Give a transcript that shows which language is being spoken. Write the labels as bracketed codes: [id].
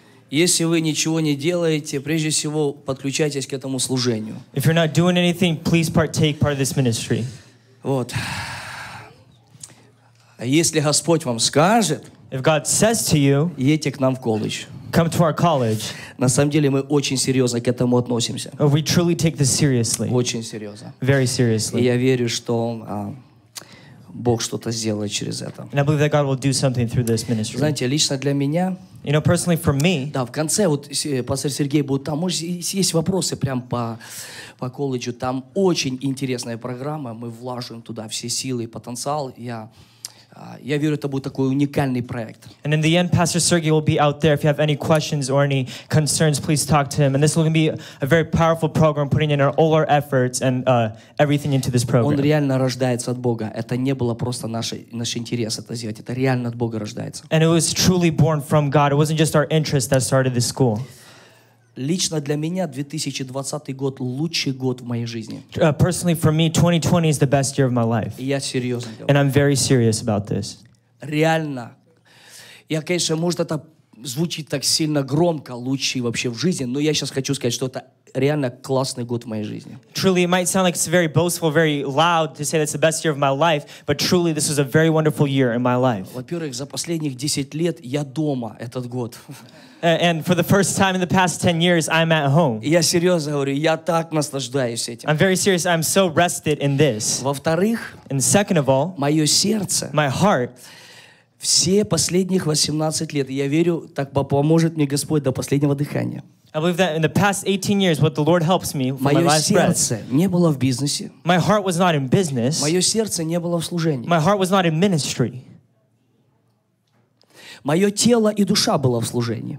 [ru] Если вы ничего не делаете, прежде всего, подключайтесь к этому служению. [en] If you're not doing anything, please partake part of this ministry. [ru] Вот. Если Господь вам скажет, [en] if God says to you, [ru] едьте к нам в колледж. [en] Come to our college. [ru] На самом деле мы очень серьезно к этому относимся. [en] We truly take this seriously. [ru] Очень серьезно. [en] Very seriously. [ru] И я верю, что Бог что-то сделает через это. [en] And I believe that God will do something through this ministry. [ru] Знаете, лично для меня. [en] You know, personally for me. [ru] Да, в конце вот пастор Сергей будет там. Может, есть вопросы прям по колледжу. Там очень интересная программа. Мы вложим туда все силы и потенциал. Я верю, это будет такой уникальный проект. [en] And in the end, Pastor Sergey will be out there. If you have any questions or any concerns, please talk to him. And this will be a very powerful program, putting in all our efforts and everything into this program. [ru] Он реально рождается от Бога. Это не было просто наш интерес это сделать. Это реально от Бога рождается. [en] And it was truly born from God. It wasn't just our interest that started this school. [ru] Лично для меня 2020 год лучший год в моей жизни. [en] Personally for me, 2020 is the best year of my life. [ru] Я серьезно говорю. [en] And I'm very serious about this. [ru] Реально. Я, конечно, может, это звучит так сильно громко, лучший вообще в жизни, но я сейчас хочу сказать, что это реально классный год в моей жизни. [en] Truly, it might sound like it's very boastful, very loud to say that's the best year of my life, but truly, this is a very wonderful year in my life. [ru] Во-первых, за последних 10 лет я дома этот год. [en] And for the first time in the past 10 years, I'm at home. [ru] Я серьезно говорю, я так наслаждаюсь этим. [en] I'm very serious, I'm so rested in this. [ru] Во-вторых, [en] and second of all, [ru] мое сердце, [en] my heart, [ru] все последних 18 лет, я верю, так поможет мне Господь до последнего дыхания. [en] I believe that in the past 18 years, what the Lord helps me for my last breath. [ru] Мое сердце не было в бизнесе. [en] My heart was not in business. [ru] Мое сердце не было в служении. [en] My heart was not in ministry. [ru] Мое тело и душа было в служении.